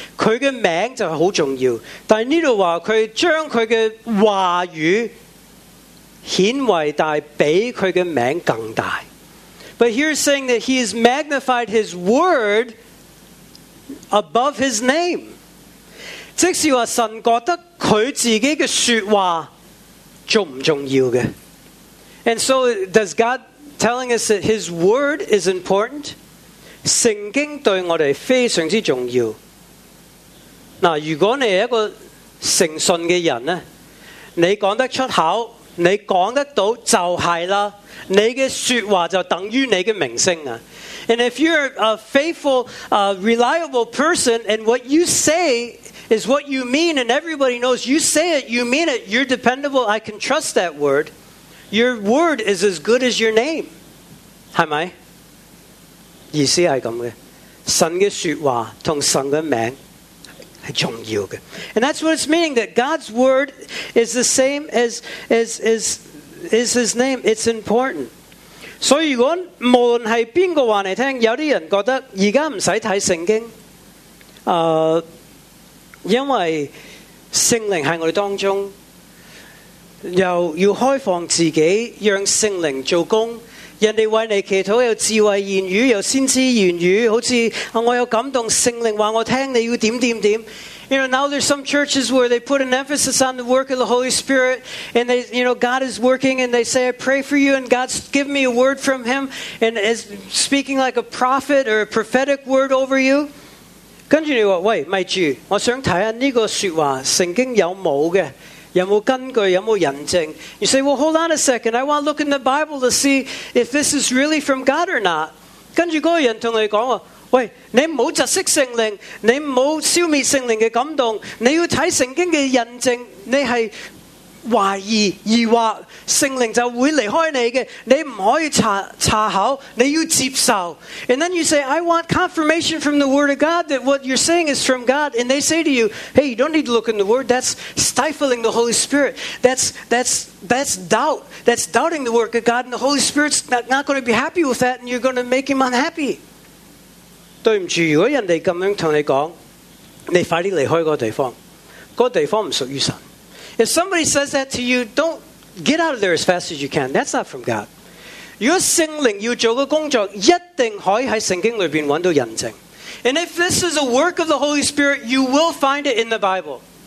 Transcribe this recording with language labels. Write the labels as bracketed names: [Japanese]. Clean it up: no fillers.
[Chinese] 他的名就是很重要但这里说他将他的话语显为大比他的名更大 [English] But here's saying that he has magnified his word above his name [Chinese] 即是说神觉得他自己的说话重不重要的 [English] And so does God telling us that his word is important? [Chinese] 圣经对我们非常之重要那如果你是一个诚信的人呢你讲得出口你讲得到就是了你的说话就等于你的名声啊 [English] And if you're a faithful, reliable person and what you say is what you mean, and everybody knows you say it, you mean it, you're dependable, I can trust that word. Your word is as good as your name. Hi, Mai. You see, I come here. [Chinese] 神的 说话 和神的 名 是重要的 [English] And that's what it's meaning, that God's word is the same as his name. It's important. [Chinese] 所以如果无论是谁告诉你, 有些人觉得现在不用看圣经, 因为圣灵在我们当中, 又要开放自己, 让圣灵做工, 人家为你祈祷有智慧言语, 有先知言语, 好像我有感动圣灵告诉我你要怎样怎样怎样, [English] You know, now there's some churches where they put an emphasis on the work of the Holy Spirit, and they, you know, God is working, and they say, I pray for you, and God's given me a word from Him, and is speaking like a prophet or a prophetic word over you. [Chinese] 跟着你说,喂,麦主,我想看看这个说话,圣经有没有的,有没有根据,有没有印证? [English] You say, well, hold on a second, I want to look in the Bible to see if this is really from God or not. [Chinese] 跟着那个人跟你说, 喂,你不要窒息圣灵,你不要消灭圣灵的感动,你要看圣经的印证,你是怀疑,疑惑,圣灵就会离开你的,你不可以查考,你要接受. [English] And then you say, I want confirmation from the word of God that what you're saying is from God. And they say to you, hey, you don't need to look in the word, that's stifling the Holy Spirit. That's doubt. That's doubting the work of God, and the Holy Spirit's not going to be happy with that, and you're going to make him unhappy. [Chinese] 对不起,如果人家这样跟你说,你快点离开那个地方,那个地方不属于神. [English] If somebody says that to you, don't get out of there as fast as you can. That's not from God. [Chinese] 如果圣灵要做的工作,一定可以在圣经里面找到印证. [English] And if this is a work of the Holy Spirit, you will find it in the Bible.